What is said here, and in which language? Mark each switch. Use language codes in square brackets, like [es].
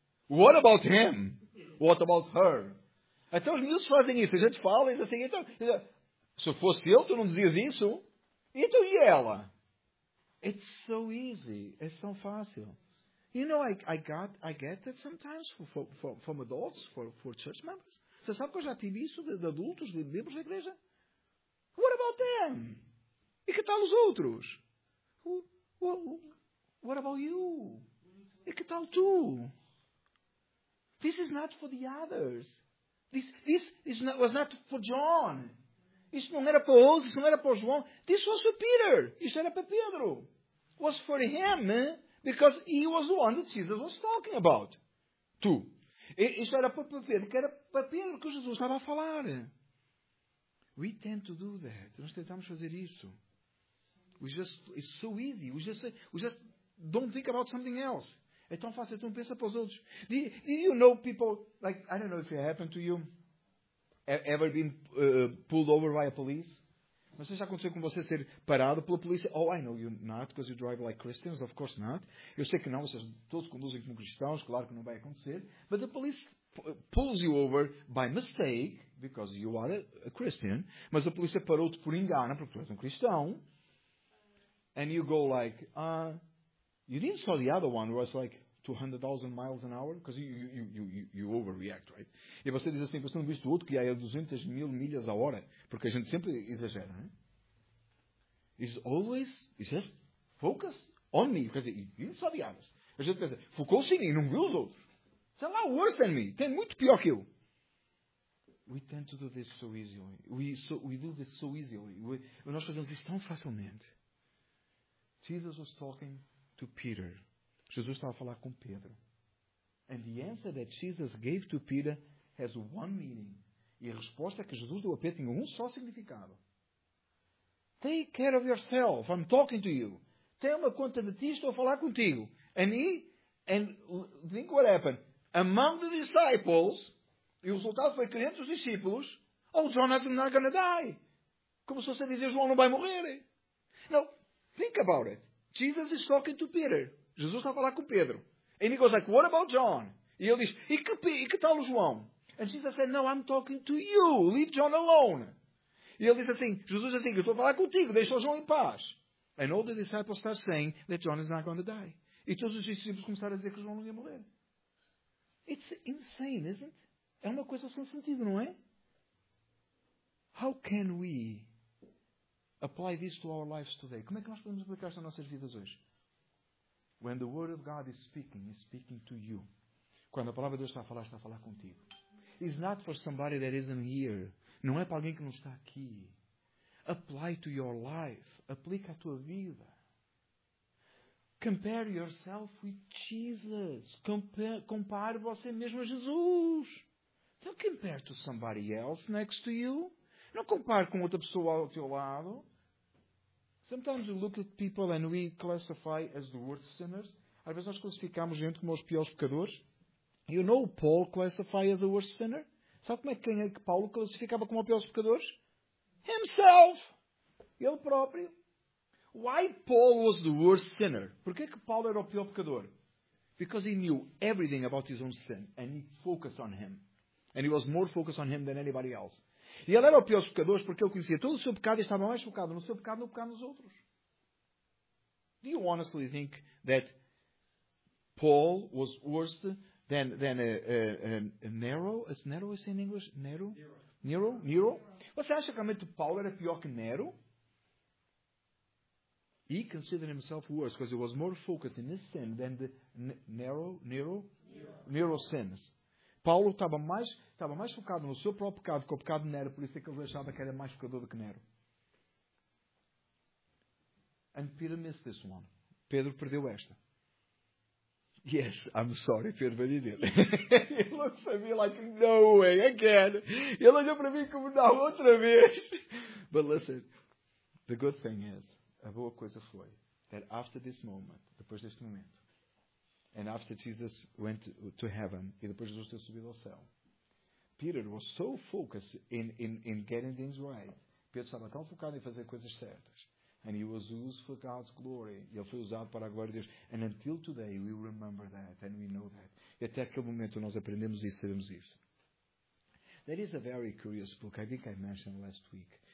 [en] What about him? What about her? [pt] Então os miúdos fazem isso. A gente fala e diz assim. Então, Se fosse ele, tu não dizias isso? E tu e ela? [en] It's so easy. [pt] É tão fácil. [en] You know, I get that sometimes from adults, for church members. [pt] Você sabe que eu já tive isso de adultos, de membros da igreja? [en] What about them? [pt] E que tal os outros? [en] What about you? [pt] E que tal tu? [en] This is not for the others. This was not for John. [pt] Isto não era para outros, isto não era para João. [en] This was for Peter. [pt] Isto era para Pedro. [en] It was for him, because he was the one that Jesus was talking about. [pt] Tu. Isto era para Pedro, que era para Pedro que Jesus estava a falar. [en] We tend to do that. [pt] Nós tentamos fazer isso. [en] It's so easy. We just don't think about something else. [pt] É tão fácil, tu não pensa para os outros. [en] Do you know people, like, I don't know if it happened to you, ever been pulled over by a police? [pt] Mas já aconteceu com você ser parado pela polícia? [en] Oh, I know you not, because you drive like Christians, of course not. [pt] Eu sei que não, vocês todos conduzem como cristãos, claro que não vai acontecer. [en] But the police pulls you over by mistake, because you are a Christian. [pt] Mas a polícia parou-te por engano, porque tu és um cristão. [en] And you go like, you didn't saw the other one, was like 200,000 miles an hour, because you overreact, right? [pt] E você diz assim, você não viste o outro que ia a 200 mil milhas a hora? Porque a gente sempre exagera, né? [en] It's always, it's just focus on me. [pt] Quer dizer, [en] you didn't saw the others. [pt] A gente pensa, focou-se em mim, não viu os outros. [en] It's a lot worse than me. [pt] Tem muito pior que eu. [en] We tend to do this so easily. We do this so easily. [pt] Nós fazemos isso tão facilmente. [en] Jesus was talking to Peter. [pt] Jesus estava a falar com Pedro. [en] And the answer that Jesus gave to Peter has one meaning. [pt] E a resposta que Jesus deu a Pedro tinha um só significado. [en] Take care of yourself. I'm talking to you. [pt] Tenha conta de ti, estou a falar contigo. [en] And think what happened. Among the disciples, [pt] e o resultado foi que entre os discípulos, [en] oh, John is not going to die. [pt] Começou-se a dizer, João não vai morrer. [en] Não. Think about it. Jesus is talking to Peter. [pt] Jesus está a falar com Pedro. [en] And he goes like, what about John? [pt] E ele diz, e que tal o João? [en] And Jesus said, no, I'm talking to you. Leave John alone. [pt] E ele diz assim, Jesus diz assim, eu estou a falar contigo. Deixa o João em paz. [en] And all the disciples start saying that John is not going to die. [pt] E todos os discípulos começaram a dizer que João não ia morrer. [en] It's insane, isn't it? [pt] É uma coisa sem sentido, não é? [en] How can we apply this to our lives today? [pt] Como é que nós podemos aplicar isto nas nossas vidas hoje? [en] When the Word of God is speaking to you. [pt] Quando a Palavra de Deus está a falar contigo. [en] It's not for somebody that isn't here. [pt] Não é para alguém que não está aqui. [en] Apply to your life. [pt] Aplica à tua vida. [en] Compare yourself with Jesus. [pt] Compare você mesmo a Jesus. [en] Don't compare to somebody else next to you. [pt] Não compare com outra pessoa ao teu lado. [en] Sometimes we look at people and we classify as the worst sinners. [pt] Às vezes nós classificamos gente como os piores pecadores. [en] You know Paul classifies as the worst sinner? [pt] Sabe como é que Paulo classificava como os piores pecadores? [en] Himself! [pt] Ele próprio. [en] Why Paul was the worst sinner? [pt] Porquê que Paulo era o pior pecador? [en] Because he knew everything about his own sin and he focused on him. And he was more focused on him than anybody else. [pt] E ele era o pior dos pecadores porque ele conhecia todo o seu pecado e estava mais focado no seu pecado do que nos outros. [en] Do you honestly think that Paul was worse than Nero? Is Nero is in English? Nero? Nero? Nero? [pt] Você acha que realmente Paul era pior que Nero? [en] He considered himself worse because he was more focused in his sin than the Nero's sins. [pt] Paulo estava mais focado no seu próprio pecado que o pecado de Nero, por isso é que ele achava que era mais pecador do que Nero. [en] And Peter missed this one. [pt] Pedro perdeu esta. [en] Yes, I'm sorry, Pedro, but he did. He looks at me like, no way, again. [pt] Ele olhou para mim como, não, outra vez. [en] But listen, the good thing is, [pt] a boa coisa foi, [en] that after this moment, [pt] depois deste momento, [en] and after Jesus went to heaven, [pt] e depois Jesus teve subido ao céu, [en] Peter was so focused in getting things right. [pt] Pedro estava tão focado em fazer coisas certas. [en] And he was used for God's glory. [pt] E ele foi usado para a glória de Deus. [en] And until today, we remember that. And we know that. [pt] E até aquele momento nós aprendemos isso, sabemos isso. [en] There is a very curious book. I think I mentioned last week.